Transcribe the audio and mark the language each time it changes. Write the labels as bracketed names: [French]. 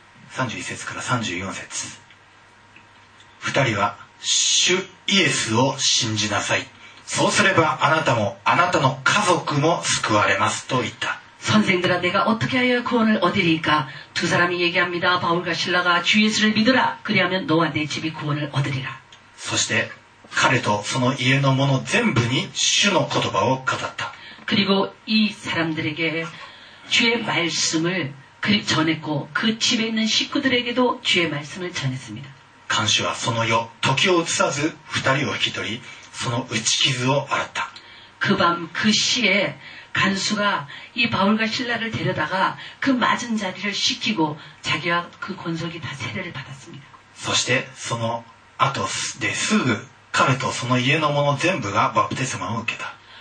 [Japanese] 31節から34節。2人は主イエスを信じなさい、そうすればあなたもあなたの家族も救われますと言った。 [Korean] 선생들아내가어떻게하여구원을얻으리까두사람이얘기합니다바울과실라가주예수를믿으라그리하면너와내집이구원을얻으리라 [Japanese] そして彼とその家のもの全部に主の言葉を語った。 [Korean] 그리고이사람들에게주의말씀을그리전했고그집에있는식구들에게도주의말씀을전했습니다 간수와 [Japanese] その夜時を移さず二人を引き取りその打ち傷を洗った。 [Korean] 그밤그시에간수가이바울과실라를데려다가그맞은자리를씻기고자기와그권속이다세례를받았습니다 [Japanese] そしてその後ですぐ彼とその家のもの全部がバプテスマを受けた。